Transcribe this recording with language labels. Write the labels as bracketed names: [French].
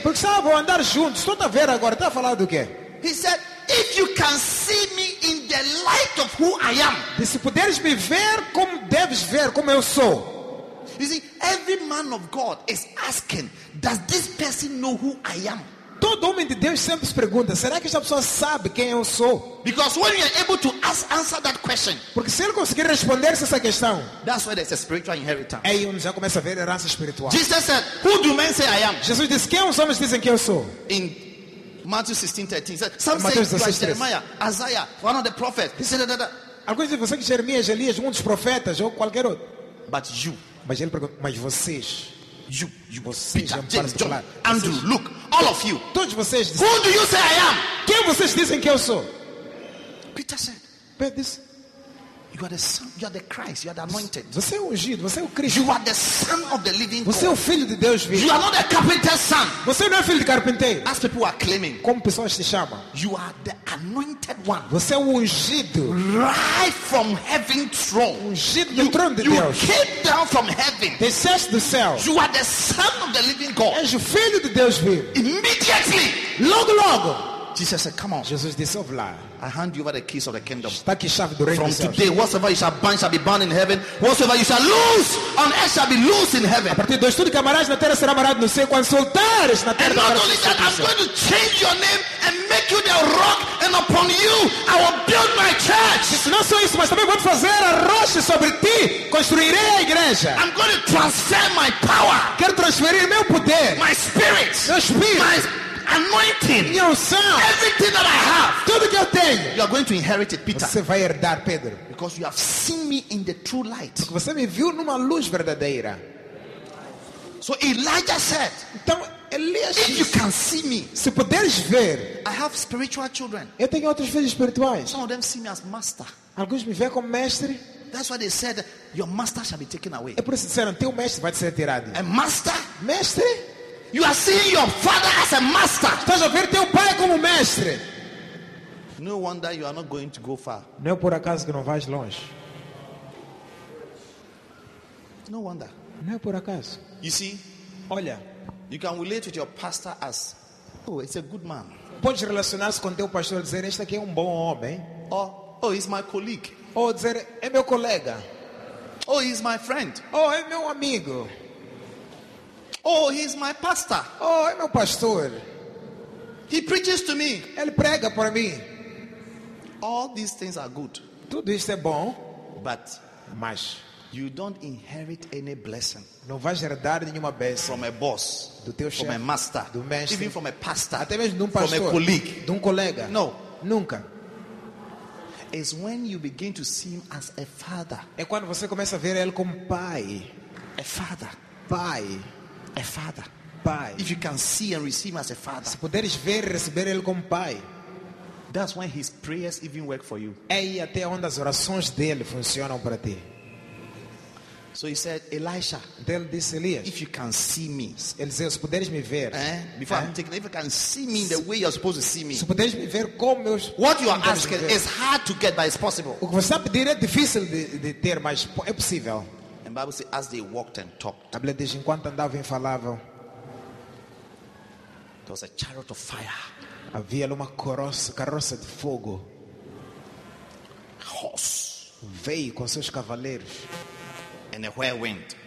[Portuguese] Porque estavam andar juntos. Estou a ver agora. Está a falar do quê? [English] He said, "If you can see me in the light of who I am." [Portuguese] E se puderes me ver como deves ver como eu sou. [English] You see, every man of God is asking, "Does this person know who I am?" [Portuguese] Todo homem de Deus sempre se pergunta, será que esta pessoa sabe quem eu sou? [English] Because when you are able to answer that question, [Portuguese] porque se ele conseguir responder essa questão, [English] that's where there's a spiritual inheritance. [Portuguese] É aí onde já começa a ver a herança espiritual. [English] Jesus said, "Who do men say I am?" [Portuguese] Jesus disse, quem os homens dizem que eu sou? [English] In Matthew 16:13, some say Christ, Jeremiah, Isaiah, one of the prophets. He said, [Portuguese] alguns dizem, você que Jeremias, Elias, um dos profetas ou qualquer outro. [English] But you, [Portuguese] mas ele pergunta, mas vocês? [English] You [Portuguese] vocês, [English] Peter, James, John, Andrew, look, all of you. [Portuguese] Todos vocês dizem, [English] who do you say I am? [Portuguese] Quem vocês dizem que eu sou? [English] Peter said, "But this, you are the son, you are the Christ, you are the anointed. [Portuguese] Você é ungido, você é o Cristo. [English] You are the son of the living God. [Portuguese] Você é o filho de Deus vivo. [English] You are not a carpenter's son. [Portuguese] Você não é filho de carpinteiro. [English] As people are claiming. [Portuguese] Como pessoas se chamam? [English] You are the anointed one. [Portuguese] Você é o ungido. [English] Right from heaven throne. [Portuguese] Ungido do trono de [English] you [Portuguese] Deus. [English] You came down from heaven. [Portuguese] Desceste do céu. [English] You are the son of the living God. [Portuguese] És o filho de Deus vivo. [English] Immediately. [Portuguese] Logo, logo. [English] Jesus said, come on. [Portuguese] Jesus disse, ouve lá. [English] I hand you over the keys of the kingdom. [Portuguese] Está aqui chave do reino. [English] From today, whatsoever you shall bind shall be bound in heaven. Whatsoever you shall loose on earth shall be loose in heaven. [Portuguese] A partir de hoje, tudo que amarás na terra será amarrado no céu. Quando soltares na terra, [English] and not only that, I'm going to change your name and make you the rock, and upon you I will build my church. [Portuguese] Isso não só isso, mas também vou fazer a rocha sobre ti. Construirei a igreja. [English] I'm going to transfer my power. [Portuguese] Quero transferir meu poder. [English] My spirit. [Portuguese] Meu espírito. [English] My anointing. [Portuguese] Minha unção. [English] Everything that I have. [Portuguese] Tudo que eu tenho. [English] You are going to inherit it, Peter. [Portuguese] Você vai herdar, Pedro. [English] Because you have seen me in the true light. [Portuguese] Porque você me viu numa luz verdadeira. [English] So Elijah said, [Portuguese] então, Elias, [English] if you can see me, [Portuguese] se puderes ver, [English] I have spiritual children. [Portuguese] Eu tenho outros filhos espirituais. [English] Some of them see me as master. [Portuguese] Alguns me veem como mestre. [English] That's why they said, your master shall be taken away. [Portuguese] É por isso que disseram, teu mestre vai ser tirado. [English] A master? [Portuguese] Mestre? [English] You are seeing your father as a master. [Portuguese] Estás a ver teu pai como mestre. [English] No wonder you are not going to go far. [Portuguese] Não é por acaso que não vais longe. [English] No wonder. [Portuguese] Não é por acaso. [English] You see, [Portuguese] olha, [English] you can relate with your pastor as, oh, it's a good man. [Portuguese] Podes relacionar-se com teu pastor dizer, este aqui é bom homem. [English] Oh, he's my colleague. [Portuguese] Ou dizer, é meu colega. [English] Oh, he's my friend. [Portuguese] Oh, é meu amigo. [English] Oh, he's my pastor. [Portuguese] Oh, é meu pastor. [English] He preaches to me. [Portuguese] Ele prega para mim. [English] All these things are good. [Portuguese] Tudo isso é bom. [English] But, [Portuguese] mas, [English] you don't inherit any blessing. [Portuguese] Não vais herdar nenhuma bênção. [English] From a boss. [Portuguese] Do teu chefe. [English] From a master. [Portuguese] Do mestre. [English] Even from a pastor. [Portuguese] Até mesmo de um pastor. [English] From a colleague. [Portuguese] De um colega. [English] No. [Portuguese] Nunca. [English] Is when you begin to see him as a father. [Portuguese] É quando você começa a ver ele como pai. [English] A father. [Portuguese] Pai. [English] A father. [Portuguese] Pai. [English] If you can see and receive him as a father. [Portuguese] Se puderes ver e receber ele como pai. [English] That's when his prayers even work for you. [Portuguese] É aí até onde as orações dele funcionam para ti. [English] So he said, Elisha. Then this Elias. If you can see me, [Portuguese] Eliseu, se puderes me ver, [English] before I'm taken, if you can see me in the way you're supposed to see me, [Portuguese] se puderes me ver como eu, [English] what you are asking is hard to get, but it's possible. [Portuguese] O que você está a pedir é difícil de ter, mas é possível. [English] And Bible says, as they walked and talked, [Portuguese] a Bíblia diz, enquanto andavam e falavam, [English] there was a chariot of fire. [Portuguese] Havia uma carroça de fogo. [English] Horse. [Portuguese] Veio com seus cavaleiros. [English] And a whirlwind.